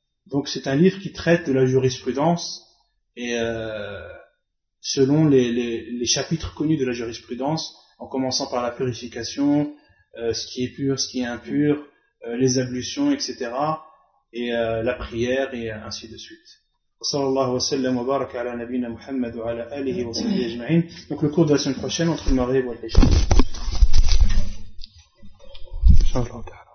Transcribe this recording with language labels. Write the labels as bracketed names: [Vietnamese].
[French] Donc c'est un livre qui traite de la jurisprudence et selon les chapitres connus de la jurisprudence, en commençant par la purification, ce qui est pur, ce qui est impur, les ablutions, etc., et la prière, et ainsi de suite. [Arabic] صلى الله وسلم وبارك على نبينا محمد وعلى آله وصحبه أجمعين. [French] Donc le cours de la semaine prochaine entre le Maghrib et l'Isha. Inch'Allah.